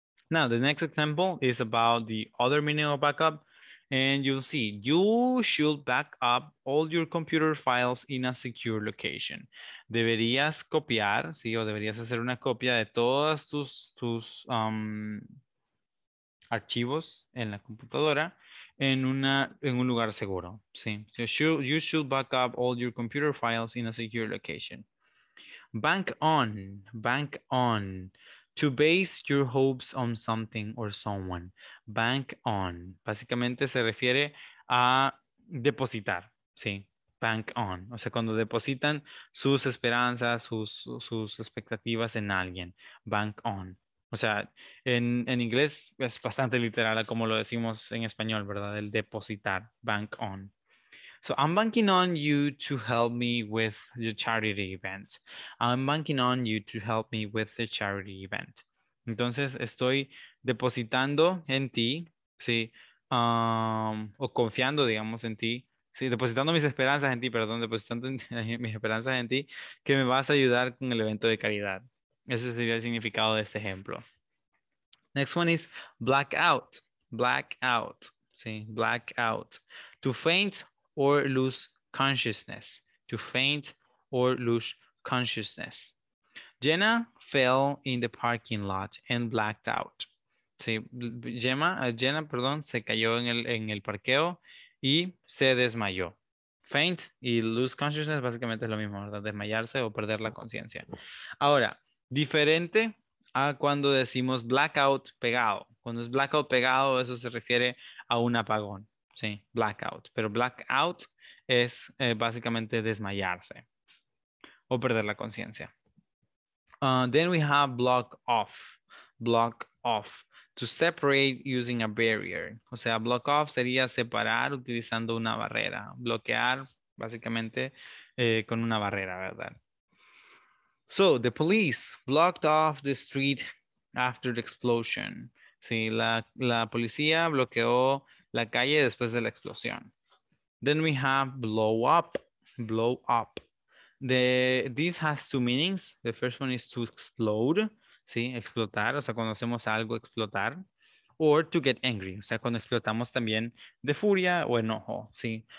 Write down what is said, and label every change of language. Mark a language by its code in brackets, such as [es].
[en] Now, the next example is about the other meaning of backup. And you'll see, you should back up all your computer files in a secure location. [es] Deberías copiar, ¿sí? O deberías hacer una copia de todos tus archivos en la computadora en un lugar seguro, ¿sí? [en] You should back up all your computer files in a secure location. Bank on. To base your hopes on something or someone. [es] Bank on. Básicamente se refiere a depositar. Sí. Bank on. O sea, cuando depositan sus esperanzas, sus expectativas en alguien. Bank on. O sea, en inglés es bastante literal como lo decimos en español, ¿verdad? El depositar. Bank on. [en] So I'm banking on you to help me with the charity event. I'm banking on you to help me with the charity event. [es] Entonces estoy depositando en ti, sí, o confiando, digamos, en ti, sí, depositando mis esperanzas en ti, que me vas a ayudar con el evento de caridad. Ese sería el significado de este ejemplo. [en] Next one is blackout. Blackout, sí, blackout. To faint or lose consciousness. To faint or lose consciousness. Jenna fell in the parking lot and blacked out. [es] Sí, Jenna, se cayó en el parqueo y se desmayó. Faint y lose consciousness básicamente es lo mismo, ¿verdad? Desmayarse o perder la conciencia. Ahora, diferente a cuando decimos blackout pegado. Cuando es blackout pegado, eso se refiere a un apagón. Sí, blackout. Pero blackout es básicamente desmayarse o perder la conciencia. [en] Then we have block off. Block off. To separate using a barrier. [es] O sea, block off sería separar utilizando una barrera. Bloquear básicamente con una barrera, ¿verdad? [en] So, the police blocked off the street after the explosion. [es] Sí, la policía bloqueó la calle después de la explosión. [en] Then we have blow up. Blow up. This has two meanings. The first one is to explode. [es] ¿sí? Explotar, o sea, cuando hacemos algo, explotar. [en] Or to get angry, [es] o sea, cuando explotamos también de furia o enojo, ¿sí?